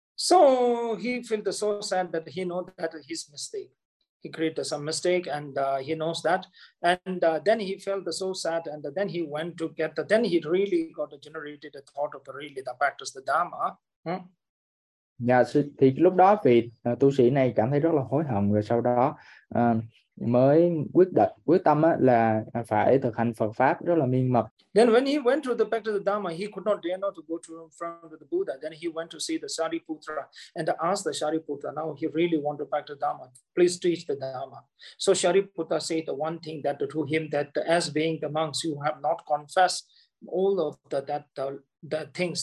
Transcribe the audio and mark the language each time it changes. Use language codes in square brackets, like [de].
[en] So he felt so sad that he knows that his mistake. He created some mistake and he knows that. And then he felt so sad and then he went to get the, then he really got generated a thought of really the practice the Dharma. [vi] Thì lúc đó vị tu sĩ này cảm thấy rất là hối hận, rồi sau đó mới quyết tâm là phải thực hành Phật Pháp rất là miên mật. [en] Then when he went to the back to the Dharma, he could not dare not to go to in front of the Buddha. Then he went to see the Shariputra and asked the Shariputra, now he really want to back to Dharma, please teach the Dharma. So Shariputra said the one thing that to him, that as being the monks, you have not confessed all of the things.